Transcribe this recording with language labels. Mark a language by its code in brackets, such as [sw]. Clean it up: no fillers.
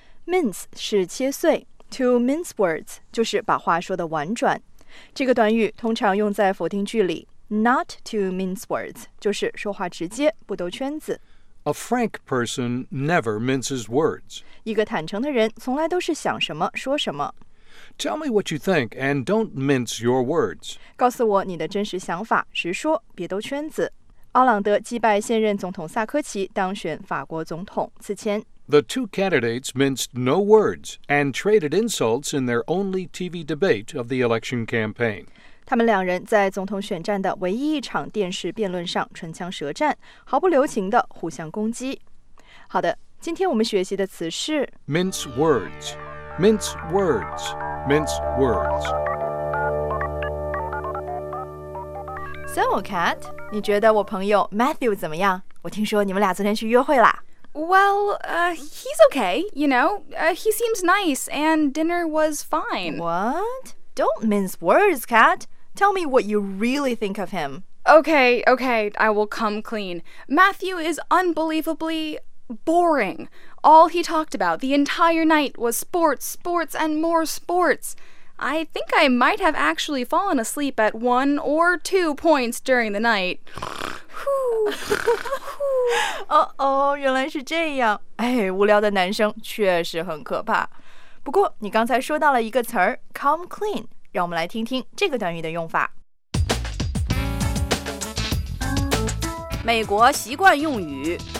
[zh] Mince 是切碎， [en] to mince words [zh] 就是把话说得婉转。这个短语通常用在否定句里， [en] not to mince words [zh] 就是说话直接，不兜圈子。 [en] A frank person never minces words. [zh] 一个坦诚的人从来都是想什么说什么。 [en] Tell me what you think and don't mince your words. [zh] 告诉我你的真实想法，直说，别兜圈子。奥朗德击败现任总统萨科齐当选法国总统。此前 [en] The two candidates minced no words and traded insults in their only TV debate of the election campaign. [zh] 他们两人在总统选战的唯一一场电视辩论上唇枪舌战，毫不留情地互相攻击。好的，今天我们学习的词是 [en] mince words, mince words, mince words. [zh] So, Kat, 你觉得我朋友 Matthew 怎么样？我听说你们俩昨天去约会啦。 [en] Well, he's okay, you know. He seems nice, and dinner was fine. What? Don't mince words, Kat. Tell me what you really think of him. Okay, okay, I will come clean. Matthew is unbelievably boring. All he talked about the entire night was sports, sports, and more sports. I think I might have actually fallen asleep at one or two points during the night. [zh] Uh-oh, 原来是这样。哎，无聊的男生确实很可怕。不过你刚才说到了一个词儿 [en] come clean, [zh] 让我们来听听这个短语的用法。美国习惯用语